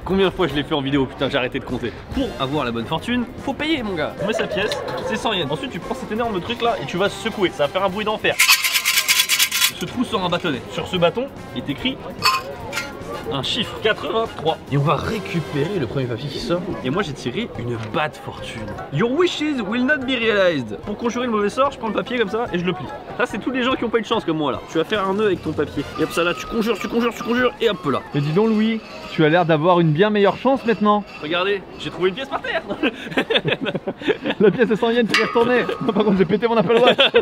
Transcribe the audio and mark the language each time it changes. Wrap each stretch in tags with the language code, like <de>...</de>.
<fr>Combien de fois je l'ai fait en vidéo, putain, j'ai arrêté de compter. Pour avoir la bonne fortune, faut payer, mon gars. On met sa pièce, c'est 100 yens. Ensuite, tu prends cet énorme truc là et tu vas secouer. Ça va faire un bruit d'enfer. Ce trou sort un bâtonnet. Sur ce bâton, il est écrit. Un chiffre, 83. Et on va récupérer le premier papier qui sort. Et moi j'ai tiré une</fr> <en>bad fortune. Your wishes will not be realized.</en> <fr>Pour conjurer le mauvais sort, je prends le papier comme ça et je le plie. Là c'est tous les gens qui ont pas eu de chance comme moi là. Tu vas faire un nœud avec ton papier. Et hop ça là, tu conjures et hop là. Mais dis donc Louis, tu as l'air d'avoir une bien meilleure chance maintenant. Regardez, j'ai trouvé une pièce par terre. La pièce de 100 yens, tu l'as retournée. Non, par contre j'ai pété mon Apple Watch.</fr>